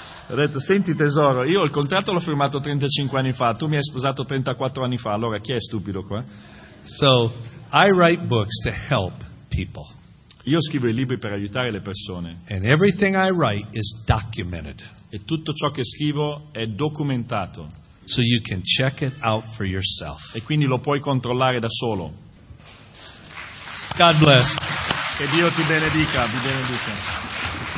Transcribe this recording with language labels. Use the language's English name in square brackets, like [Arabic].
[Italian] Ho detto, senti tesoro, io il contratto l'ho firmato 35 anni fa, tu mi hai sposato 34 anni fa, allora chi è stupido qua? [English] So, I write books to help people. [Italian] Io scrivo i libri per aiutare le persone. [English] And everything I write is documented. [Italian] E tutto ciò che scrivo è documentato. [English] So you can check it out for yourself. [Italian] E quindi lo puoi controllare da solo. [English] God bless. [Italian] Che Dio ti benedica, vi benedica.